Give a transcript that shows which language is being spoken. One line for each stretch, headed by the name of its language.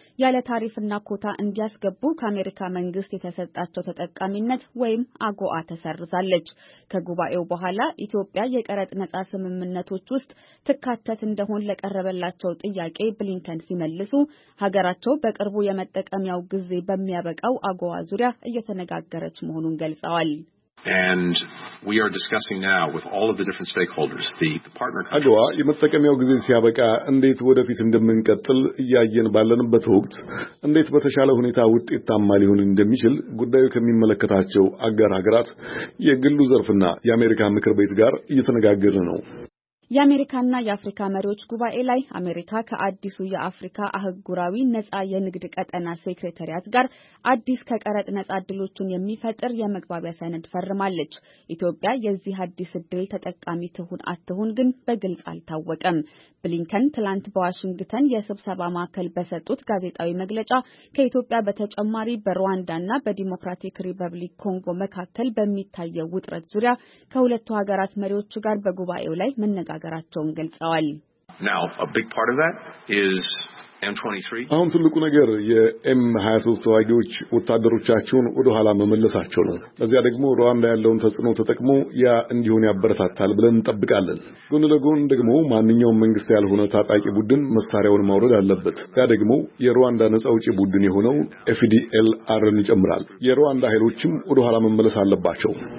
Amharic: ያለ ታሪፍና ኮታ እንዲያስገቡ ከአሜሪካ መንግስት የተሰጣቸው ተጠቃሚነት ወይም አጎአ ተሰርዛለች። ከጉባኤው በኋላ ኢትዮጵያ የቀረጥ ነጻ ስምምነቶች ውስጥ ትካተት እንደሆን ለቀረበላቸው ጥያቄ ብሊንከን ሲመልሱ ሀገራቸው በቅርቡ የመጠቀሚያው ጊዜ በሚያበቃው አጎአ ዙሪያ እየተነጋገረች መሆኑን ገልጸዋል።
English: And we are discussing now with all of the different stakeholders the partner countries.
Amharic: አጎአ የመጠቀሚያው ጊዜ ሲያበቃ እንዴት ወደፊት እንደምንቀጥል እያየን ባለንበት ወቅት እንዴት በተሻለ ሁኔታ ውጤታማ ሊሆን እንደሚችል ጉዳዩ ከሚመለከታቸው አጋር ሀገራት የግሉ ዘርፍና የአሜሪካ ምክር ቤት ጋር እየተነጋገርን ነው። የአሜሪካና የአፍሪካ መሪዎች ጉባኤ ላይ አሜሪካ ከአዲሱ የአፍሪካ አህጉራዊ ነጻ የንግድ ቀጠና ሴክሬታሪያት ጋር አዲስ ከቀረጥ ነጻ ድሎችን የሚፈጥር የመግባቢያ ሰነድ ፈርማለች። ኢትዮጵያ የዚህ አዲስ ድል ተጠቃሚ ትሁን አትሁን ግን በግልጽ አልታወቀም። ብሊንከን ትላንት በዋሽንግተን የስብሰባ ማዕከል በሰጡት ጋዜጣዊ መግለጫ ከኢትዮጵያ በተጨማሪ በሩዋንዳና በዲሞክራቲክ ሪፐብሊክ ኮንጎ መካከል በሚታየው ውጥረት ዙሪያ ከሁለቱ ሀገራት መሪዎች ጋር በጉባኤው ላይ ነጋገራቸውን ገልጸዋል።
English: Now a big part of that is M23.
Amharic: አሁን ትልቁ ነገር የM23 ተዋጊዎች ወታደሮቻቸውን ወደ ኋላ መመለሳቸው ነው። እዚያ ደግሞ ሩዋንዳ ያለውን ተጽዕኖ ተጠቅሞ ያ እንዲሆን ያበረታታል ብለን እንጠብቃለን። ጉን ለጉን ደግሞ ማንኛውም መንግስት ያልሆነ ታጣቂ ቡድን መስታሪያውን ማውረድ አለበት። ያ ደግሞ የሩዋንዳ ነጻ አውጪ ቡድን የሆነው FDLR-ን ይጨምራል። የሩዋንዳ ኃይሎችም ወደ ኋላ መመለስ አለባቸው።